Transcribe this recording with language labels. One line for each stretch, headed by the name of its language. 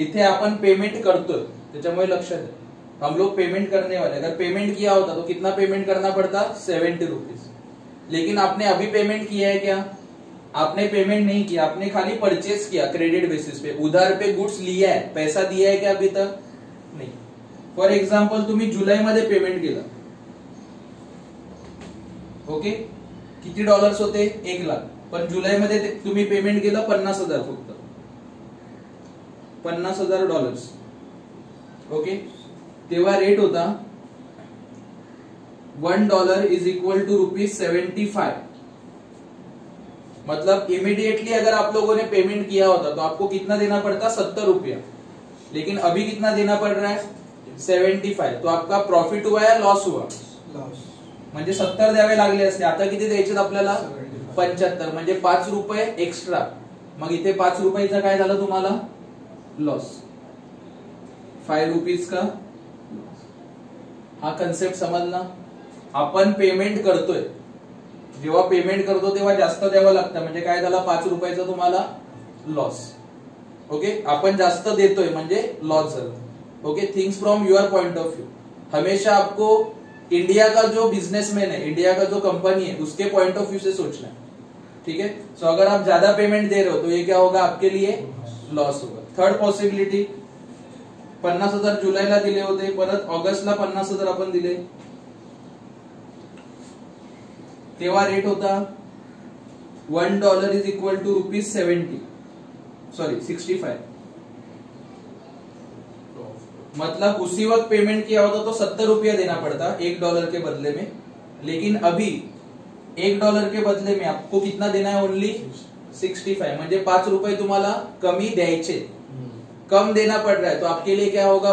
Marathi: इथे अपन पेमेंट करतो त्याच्यामुळे लक्षात
Hindi: हम लोग पेमेंट करने वाले, अगर पेमेंट किया होता तो कितना पेमेंट करना पड़ता 70 रुपीज। लेकिन आपने अभी पेमेंट किया है क्या? आपने पेमेंट नहीं किया, आपने खाली परचेस किया क्रेडिट बेसिस पे, उधार पे गुड्स लिया है, पैसा दिया है क्या अभी तक? नहीं।
Marathi: फॉर एग्जाम्पल तुम्ही जुलाई मध्ये पेमेंट केला, ओके, किती डॉलर्स होते 1 लाख, पण जुलाई मध्ये तुम्ही पेमेंट केलं 50,000 फक्त, 50,000 डॉलर्स, ओके, तेव्हा रेट होता 1 dollar is equal to rupees 75।
Hindi: मतलब इमिडिएटली अगर आप लोगों ने पेमेंट किया होता तो आपको कितना देना पड़ता 70 रुपया, लेकिन अभी कितना देना पड़ रहा है 75, तो आपका प्रॉफिट हुआ या लॉस हुआ? लॉस,
Marathi: म्हणजे 70 द्यावे लागले असते, आता किती द्यायचे आपल्याला 75, म्हणजे 5 रुपये एक्स्ट्रा, मग इथे 5 रुपयाचा काय झालं तुम्हाला?
Hindi: लॉस, 5 रुपीज का?
Marathi: हा कन्सेप्ट समजला? आपण पेमेंट करतोय, जेव्हा पेमेंट करतो तेव्हा जास्त द्यावं लागतं, म्हणजे काय झालं 5 रुपयाचा तुम्हाला लॉस, ओके, आपण जास्त देतोय म्हणजे लॉस झालं, okay,
English: Things from your point of view.
Hindi: हमेशा आपको इंडिया का जो बिझनेसमॅन आहे, इंडिया का जो कंपनी आहे, उसके पॉइंट ऑफ व्ह्यू से सोचना है, ठीक है? सो अगर आप ज्यादा पेमेंट दे रहे हो तो ये क्या होगा आपके लिए? लॉस होगा।
Marathi: थर्ड पॉसिबिलिटी, 50,000 जुलैला दिले होते, परत ऑगस्टला 50,000 आपण दिले, तेव्हा रेट होता 1 dollar is equal to rupees 65।
Hindi: मतलब उसी वक्त पेमेंट किया होता तो 70 रुपया देना पड़ता 1 डॉलर के बदले में, लेकिन अभी 1 डॉलर के बदले में आपको कितना देना है? ओनली 65,
Marathi: म्हणजे 5 रुपये तुम्हाला कमी द्यायचे,
Hindi: कम देना पड़ रहा है, तो आपके लिए क्या होगा?